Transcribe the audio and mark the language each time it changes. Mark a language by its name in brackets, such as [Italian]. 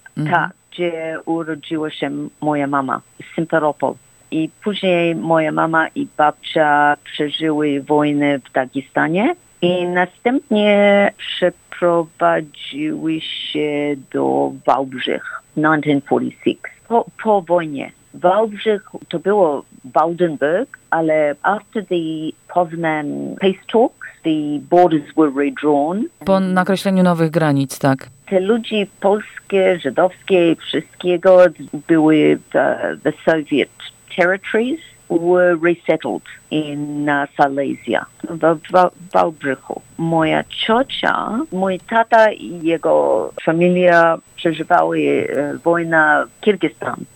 [Polish] Tak, gdzie urodziła się moja mama, Simferopol. I później moja mama i babcia przeżyły wojnę w Dagestanie. I następnie przeprowadziły się do Wałbrzych, 1946, po wojnie. Wałbrzych to było Waldenburg, ale [English] after the Poznan peace talks, the borders were redrawn. [Polish] Po nakreśleniu nowych granic, tak. Te ludzie polskie, żydowskie, wszystkiego były w [English] the Soviet territories, were resettled in Silesia, [Polish] w Wałbrzychu. Moja ciocia, mój tata i jego familia przeżywały wojnę w Kirgistan.